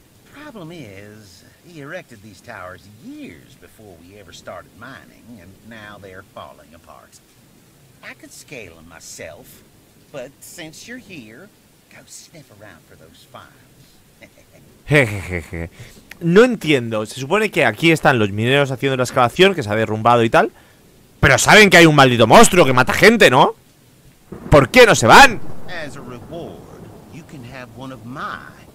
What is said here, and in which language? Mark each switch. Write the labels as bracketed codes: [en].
[en] The problem is, he erected these towers years before we ever started mining, and now they're falling apart. I could scale them myself, but since you're here, go sniff around for those files. [es] Jejeje. No entiendo. Se supone que aquí están los mineros haciendo la excavación, que se ha derrumbado y tal. Pero saben que hay un maldito monstruo que mata gente, ¿no? ¿Por qué no se van? [en] As a reward, you can have one of mine.